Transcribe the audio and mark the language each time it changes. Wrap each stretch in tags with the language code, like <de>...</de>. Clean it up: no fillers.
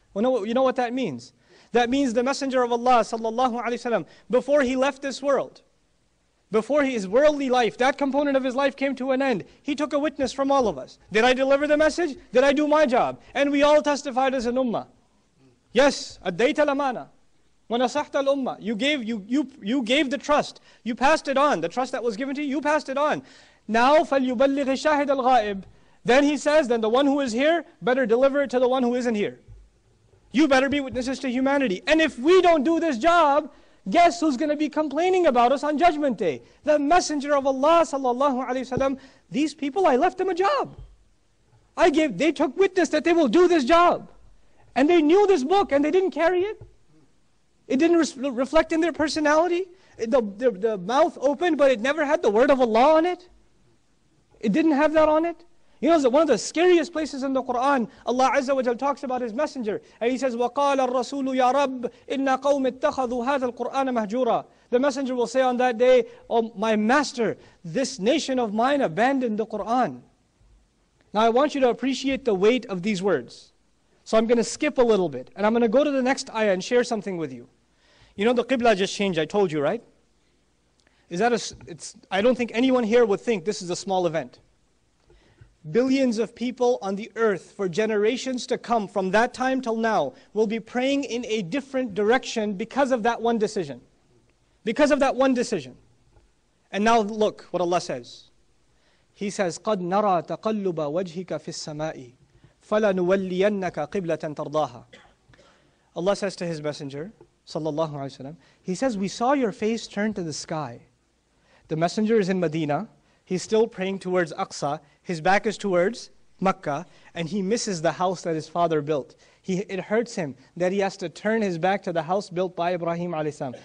<en>Well, you know what that means? That means the messenger of Allah, sallallahu alayhi wasalam, before he left this world, before his worldly life, that component of his life came to an end, he took a witness from all of us. Did I deliver the message? Did I do my job? And we all testified as an ummah. Yes,</en> <ar>addayta al-amana. Wa nasahta al-ummah.</ar> <en>You gave the trust. You passed it on. The trust that was given to you, you passed it on. Now,</en> <ar>فَلْيُبَلِّغِ الشَّاهِدَ الْغَائِبِ.</ar> <en>Then he says, then the one who is here, better deliver it to the one who isn't here. You better be witnesses to humanity. And if we don't do this job, guess who's going to be complaining about us on Judgment Day? The Messenger of Allah sallallahu alaihi wasallam. These people, I left them a job. They took witness that they will do this job. And they knew this book and they didn't carry it. It didn't reflect in their personality. The mouth opened but it never had the word of Allah on it. It didn't have that on it. You know, one of the scariest places in the Quran, Allah Azza wa Jal talks about His Messenger. And He says,</en> <ar>وَقَالَ الرَّسُولُ يَا رَبِّ إِنَّ قَوْمِ اتَّخَذُوا هَذَا الْقُرْآنَ مَهْجُورًا.</ar> <en>The Messenger will say on that day, oh my Master, this nation of mine abandoned the Quran. Now I want you to appreciate the weight of these words. So I'm going to skip a little bit. And I'm going to go to the next ayah and share something with you. You know, the Qibla just changed, I told you, right? I don't think anyone here would think this is a small event. Billions of people on the earth for generations to come from that time till now will be praying in a different direction because of that one decision. Because of that one decision. And now look what Allah says. He says,</en> <ar>قَدْ نَرَى تَقَلُّبَ وَجْهِكَ فِي السَّمَاءِ فَلَنُوَلِّيَنَّكَ قِبْلَةً تَرْضَاهَا.</ar> <en>Allah says to His Messenger, sallallahu alayhi wa sallam, He says, we saw your face turn to the sky. The Messenger is in Medina. He's still praying towards Aqsa. His back is towards Makkah, and he misses the house that his father built. It hurts him that he has to turn his back to the house built by Ibrahim alayhi salam.</en>